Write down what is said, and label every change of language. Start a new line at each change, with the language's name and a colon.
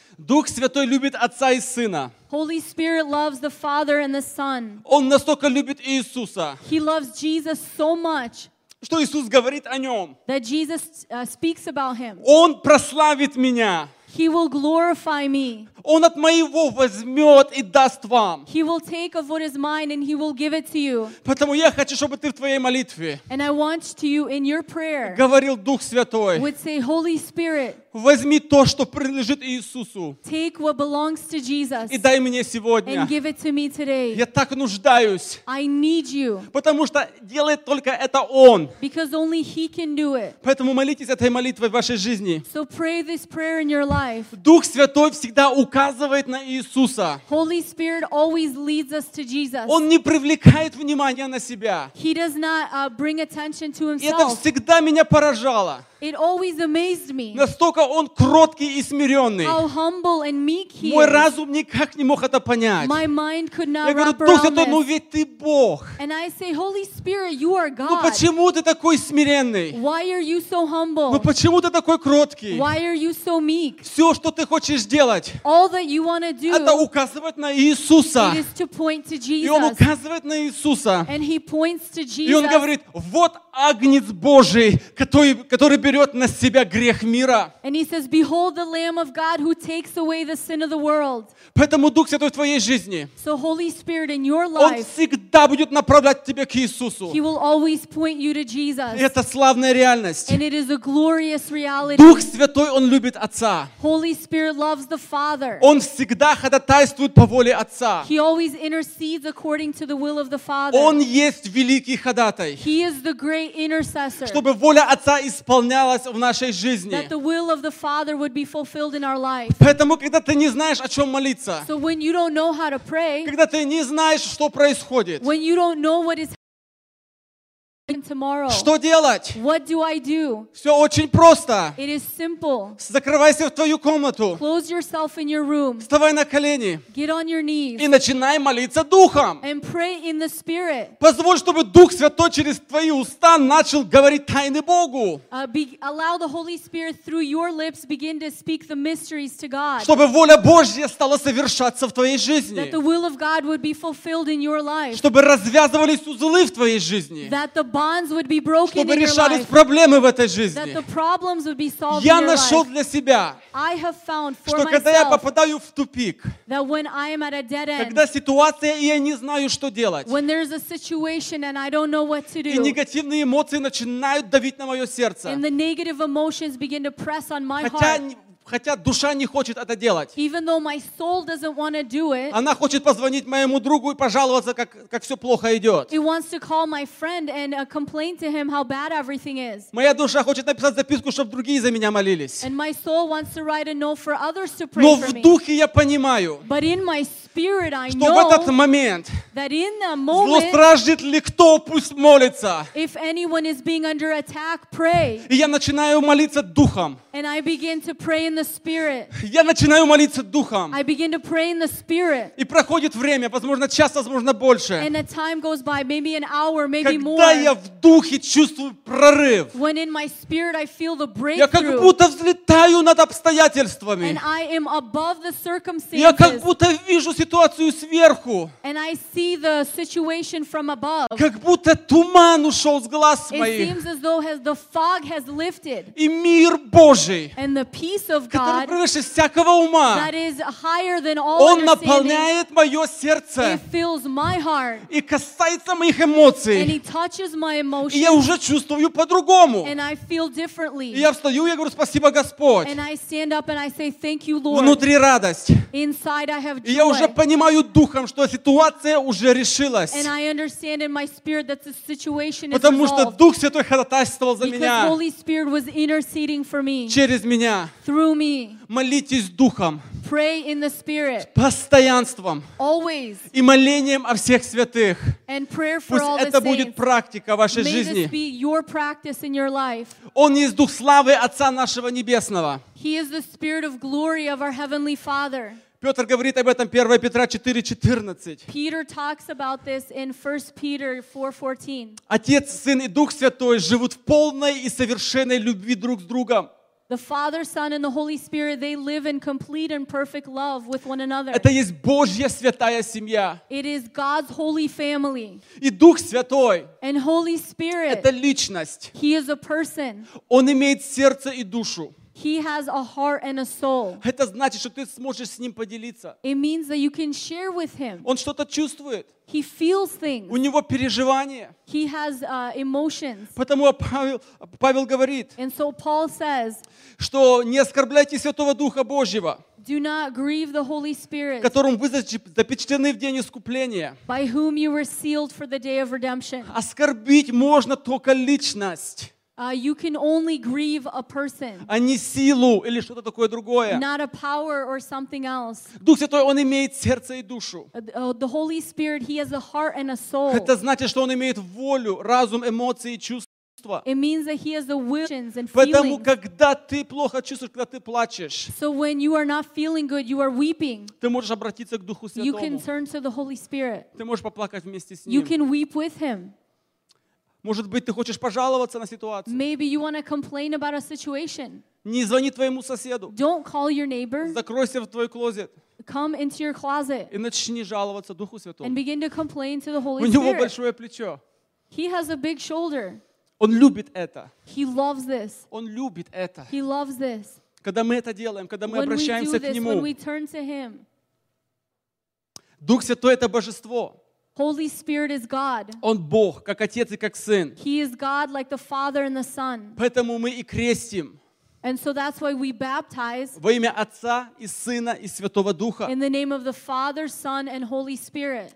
Russian: Дух Святой любит Отца и Сына.
English: Holy Spirit loves the Father and the Son.
Russian: Он настолько любит Иисуса.
English: He loves Jesus so much.
Russian: Что Иисус говорит о нем?
English: That Jesus speaks about him.
Russian: Он прославит меня.
English: He will glorify me.
Russian: Он от моего возьмет и даст вам.
English: He will take of what is mine and he will give it to you.
Russian: Поэтому я хочу, чтобы ты в твоей молитве.
English: And I want to you in your prayer.
Russian: Говорил Дух Святой.
English: Would say Holy Spirit.
Russian: Возьми то, что принадлежит Иисусу.
English: Take what belongs to Jesus.
Russian: И дай мне сегодня.
English: And give it to me today.
Russian: Я так нуждаюсь.
English: I need you.
Russian: Потому что делает только это Он.
English: Because only He can do it.
Russian: Поэтому молитесь этой молитвой в вашей жизни.
English: So pray this prayer in your life.
Russian: Дух Святой всегда указывает на Иисуса.
English: Holy Spirit always leads us to Jesus.
Russian: Он не привлекает внимания на себя.
English: He does not bring attention to himself.
Russian: И это всегда меня поражало.
English: It always amazed me.
Russian: Настолько он кроткий и смиренный.
English: How humble and meek he is.
Russian: Мой разум никак не мог это понять.
English: My mind could not wrap
Russian: this. Я говорю, Дух Святой, ну ведь ты Бог.
English: And I say, Holy Spirit, you are God.
Russian: Ну почему ты такой смиренный?
English: Why are you so humble?
Russian: Ну почему ты такой кроткий?
English: Why are you so meek?
Russian: Все, что ты хочешь делать,
English: All that you want to do,
Russian: это указывать на Иисуса.
English: It is to point to Jesus.
Russian: И он указывает на Иисуса.
English: And he points to Jesus.
Russian: И он говорит, вот Агнец Божий, который берет на себя грех мира.
English: And he says, behold the Lamb of God who takes away the sin of the world.
Russian: Поэтому Дух Святой в твоей жизни.
English: So Holy Spirit in your life.
Russian: Он всегда будет направлять тебя к Иисусу.
English: He will always point you to Jesus.
Russian: И это славная реальность.
English: And it is a glorious reality.
Russian: Дух Святой, он любит Отца.
English: Holy Spirit loves the Father.
Russian: Он всегда ходатайствует по воле Отца.
English: He always intercedes according to the will of the Father.
Russian: Он есть великий ходатай.
English: He is the great intercessor.
Russian: Чтобы воля Отца исполнялась в нашей жизни.
English: That the will of the Father would be fulfilled in our life.
Russian: Поэтому, когда ты не знаешь, о чем молиться,
English: So when you don't know how to pray,
Russian: когда ты не знаешь, что происходит,
English: when you don't know what is happening tomorrow,
Russian: что делать?
English: What do I do?
Russian: Все очень просто.
English: It is simple.
Russian: Закрывайся в твою комнату.
English: Close yourself in your room.
Russian: Вставай на колени.
English: Get on your knees.
Russian: И начинай молиться Духом.
English: And pray in the Spirit.
Russian: Позволь, чтобы Дух Святой через твои уста начал говорить тайны Богу.
English: Allow the Holy Spirit through your lips begin to speak the mysteries to God.
Russian: Чтобы воля Божья стала совершаться в твоей жизни.
English: That the will of God would be fulfilled in your life.
Russian: Чтобы развязывались узлы в твоей жизни.
English: That the bonds would be broken in your life.
Russian: Чтобы решались проблемы в этой жизни.
English: That the problems would be solved in your life.
Russian: Я нашел для себя.
English: I have found for
Russian: что
English: myself,
Russian: когда я попадаю в тупик,
English: that when I am at a dead end,
Russian: когда ситуация, и я не знаю, что делать,
English: when there's a situation and I don't know what to do,
Russian: и негативные эмоции начинают давить на мое сердце,
English: and the negative emotions begin to press on my
Russian: хотя
English: heart,
Russian: хотя душа не хочет это делать.
English: Even though my soul doesn't want to do it,
Russian: она хочет позвонить моему другу и пожаловаться, как все плохо идет.
English: It wants to call my friend and complain to him how bad everything is.
Russian: Моя душа хочет написать записку, чтобы другие за меня молились.
English: And my soul wants to write a note for others to pray
Russian: Но
English: for me.
Russian: Но в духе я понимаю,
English: But in my spirit, I
Russian: что
English: know
Russian: в этот момент,
English: that in that moment,
Russian: злостражит ли кто, пусть молится.
English: If anyone is being under attack, pray.
Russian: И я начинаю молиться духом.
English: And I begin to pray in the Spirit.
Russian: Я начинаю молиться духом.
English: I begin to pray in the Spirit.
Russian: И проходит время, возможно, час, возможно, больше.
English: And the time goes by, maybe an hour, maybe
Russian: Когда
English: more.
Russian: Когда я в духе чувствую прорыв.
English: When in my spirit I feel the breakthrough.
Russian: Я как будто взлетаю над обстоятельствами.
English: And I am above the circumstances.
Russian: Я как будто вижу ситуацию. ситуацию сверху.
English: And I see the situation from above.
Russian: Как будто туман ушел с глаз моих.
English: It seems as though has the fog has lifted.
Russian: И мир Божий.
English: And the peace of God.
Russian: Который превыше всякого ума.
English: That is higher than all
Russian: Он наполняет мое сердце.
English: It fills my heart.
Russian: И касается моих эмоций.
English: And he touches my emotions.
Russian: И я уже чувствую по-другому.
English: And I feel differently.
Russian: И я встаю, я говорю: спасибо, Господь.
English: And I stand up and I say thank you, Lord.
Russian: Внутри радость.
English: Inside I have joy.
Russian: И я уже понимаю духом, что ситуация уже решилась.
English: And I understand in my spirit that the situation is
Russian: Потому что Дух Святой ходатайствовал за меня.
English: Because Holy Spirit was interceding for me.
Russian: Через меня.
English: Through me.
Russian: Молитесь духом.
English: Pray in the spirit.
Russian: С постоянством.
English: Always.
Russian: И молением о всех святых.
English: And prayer for
Russian: Пусть
English: all
Russian: это
English: the
Russian: будет
English: saints.
Russian: Практика вашей
English: May
Russian: жизни.
English: This be your practice in your life.
Russian: Он есть Дух славы Отца нашего Небесного.
English: He is the spirit of glory of our heavenly Father.
Russian: Петр говорит об этом 1 Петра 4:14.
English: Peter talks about this in 1 Peter 4:14.
Russian: Отец, Сын и Дух Святой живут в полной и совершенной любви друг с другом.
English: The Father, Son, and the Holy Spirit, they live in complete and perfect love with one another.
Russian: Это есть Божья святая семья.
English: It is God's holy family.
Russian: И Дух Святой.
English: And Holy Spirit.
Russian: Это личность.
English: He is a person.
Russian: Он имеет сердце и душу.
English: He has a heart and a soul.
Russian: Это значит, что ты сможешь с ним поделиться.
English: It means that you can share with him.
Russian: Он что-то чувствует.
English: He feels things.
Russian: У него переживания.
English: He has emotions.
Russian: Потому Павел говорит,
English: and so Paul says,
Russian: что не оскорбляйте Святого Духа Божьего,
English: do not grieve the Holy Spirit,
Russian: которым вы запечатлены в день искупления,
English: by whom you were sealed for the day of redemption.
Russian: Оскорбить можно только личность.
English: You can only grieve a person.
Russian: А не силу или что-то такое другое.
English: Not a power or something else.
Russian: Дух Святой, Он имеет сердце и душу.
English: The Holy Spirit, He has a heart and a soul.
Russian: Это значит, что Он имеет волю, разум, эмоции и чувства.
English: It means that He has the will and feelings.
Russian: Поэтому, когда ты плохо чувствуешь, когда ты плачешь,
English: so when you are not feeling good, you are weeping.
Russian: Ты можешь обратиться к Духу Святому.
English: You can turn to the Holy Spirit.
Russian: Ты можешь поплакать вместе с Ним.
English: You can weep with Him.
Russian: Может быть, ты хочешь пожаловаться на ситуацию?
English: Maybe you want to complain about a situation.
Russian: Не звони твоему соседу.
English: Don't call your neighbor.
Russian: Закройся в твой клозет.
English: Come into your closet.
Russian: И начни жаловаться Духу Святому.
English: And begin to complain to the Holy
Russian: Spirit. У него большое плечо.
English: He has a big shoulder.
Russian: Он любит это.
English: He loves this.
Russian: Он любит это.
English: He loves this.
Russian: Когда мы это делаем, когда мы обращаемся к нему.
English: When we turn to him.
Russian: Дух Святой — это божество.
English: Holy Spirit is God.
Russian: Он Бог, как Отец и как Сын.
English: He is God like the Father and the Son.
Russian: Поэтому мы и крестим.
English: And so that's why we baptize.
Russian: Во имя Отца и Сына и Святого Духа.
English: In the name of the Father, Son, and Holy Spirit.